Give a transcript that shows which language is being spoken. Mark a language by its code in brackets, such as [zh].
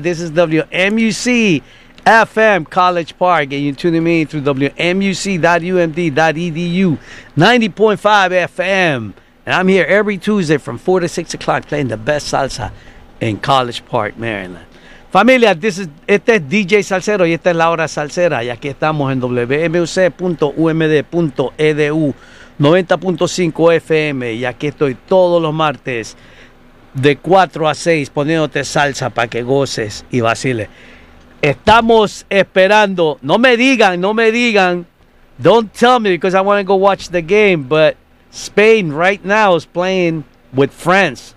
[en] This is WMUC FM College Park, and you're tuning me through WMUC.UMD.EDU, 90.5 FM. And I'm here every Tuesday from 4 to 6 o'clock playing the best salsa in College Park, Maryland. [es] Familia, este es DJ Salcero y esta es La Hora Salsera, y aquí estamos en WMUC.UMD.EDU. 90.5 FM, y aquí estoy todos los martes de 4 a 6 poniéndote salsa para que goces y vaciles. Estamos esperando, no me digan, [en] don't tell me because I want to go watch the game, but Spain right now is playing with France.